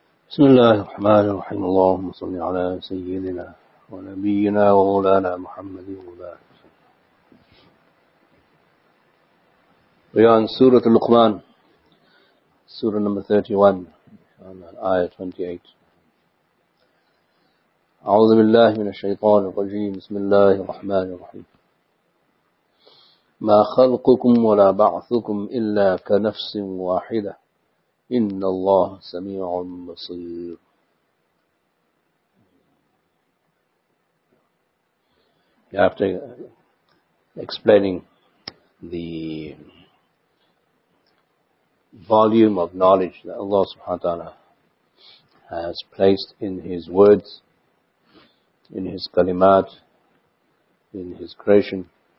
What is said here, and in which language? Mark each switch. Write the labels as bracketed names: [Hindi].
[Arabic] بسم الله الرحمن الرحيم اللهم صل على سيدنا ونبينا ومولانا محمد وبارك وسلم. [English] We are in Surah Luqman, Surah number 31, and Ayah 28. [Arabic] أعوذ بالله من الشيطان الرجيم بسم الله الرحمن الرحيم ما خلقكم ولا بعثكم إلا كنفس واحدة إِنَّ اللَّهَ سَمِيعٌ بَصِيرٌ. [English] After explaining the volume of knowledge that Allah subhanahu wa ta'ala has placed in His words, in His kalimat, in His creation,